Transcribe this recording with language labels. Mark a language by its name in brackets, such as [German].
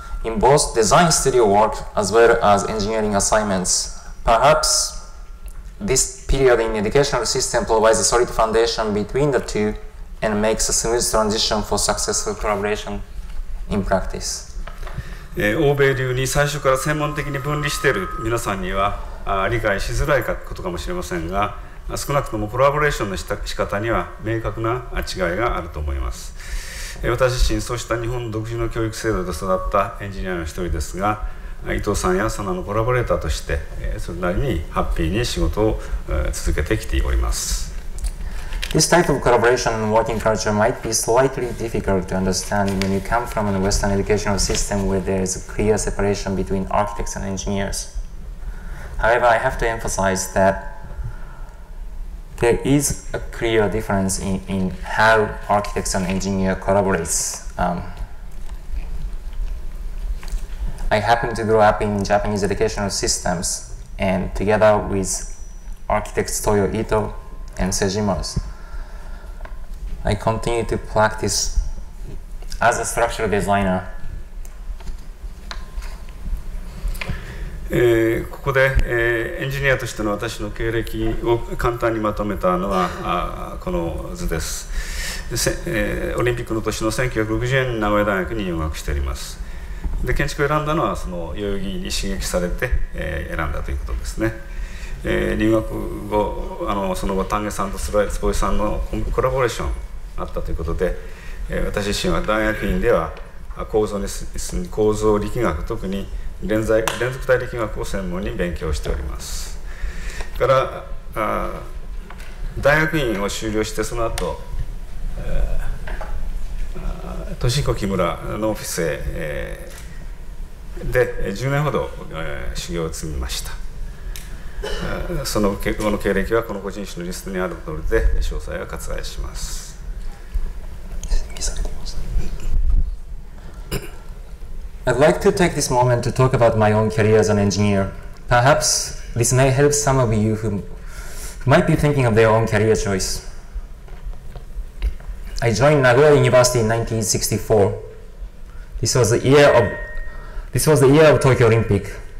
[English] In both design studio work as well as engineering assignments. Perhaps this period in the educational system provides a solid foundation between the two and makes a smooth transition for successful collaboration in practice. [Japanese] 欧米流に最初から専門的に分離している皆さんには理解しづらいことかもしれませんが、少なくともコラボレーションの仕方には明確な違いがあると思います。私自身そうした日本独自の教育制度で育ったエンジニアの一人ですが、伊藤さんや SANAA のコラボレーターとしてそれなりにハッピーに仕事を続けてきております。 [English] This type of collaboration and working culture might be slightly difficult to understand when you come from a Western educational system where there is a clear separation between architects and engineers. However, I have to emphasize thatThere is a clear difference in how architects and engineers collaborate. I happen to grow up in Japanese educational systems, and together with architects Toyo Ito and Sejima, I continue to practice as a structural designer. [Japanese] ここで、エンジニアとしての私の経歴を簡単にまとめたのはこの図です。オリンピックの年の1960年に名古屋大学に入学しております。で、建築を選んだのはその代々木に刺激されて、選んだということですね。入学後その後丹下さんと坪井さんのコラボレーションあったということで、私自身は大学院では構造力学、特に連続体力学を専門に勉強しております。から大学院を修了してその後、俊彦木村のオフィスへ、で10年ほど、修行を積みました。その後の経歴はこの個人誌のリストにある通りで詳細は割愛します。 [English] I'd like to take this moment to talk about my own career as an engineer. Perhaps this may help some of you who might be thinking of their own career choice. I joined Nagoya University in 1964. This was the year of Tokyo Olympic.